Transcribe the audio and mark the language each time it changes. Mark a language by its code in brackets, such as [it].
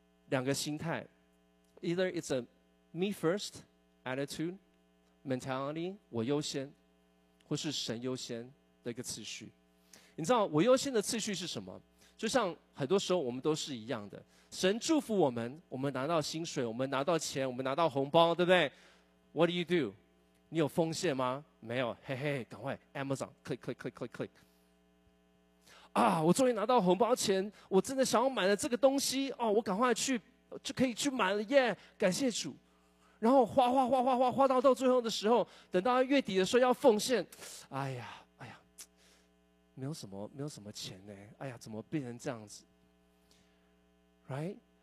[zh] 两个心态， [en] Either it's a me first attitude mentality， [zh] 我优先，或是神优先的一个次序。你知道我优先的次序是什么？就像很多时候我们都是一样的，神祝福我们，我们拿到薪水，我们拿到钱，我们拿到红包，对不对？ [en] What do you do？ [zh] 你有奉献吗？没有，嘿嘿，赶快 Amazon click click click click click。啊，我终于拿到红包钱，我真的想要买了这个东西哦，我赶快去就可以去买了耶，感谢主。然后花花花花花花到最后的时候，等到月底的时候要奉献，哎呀哎呀，没有什么钱呢，哎呀，怎么变成这样子 right？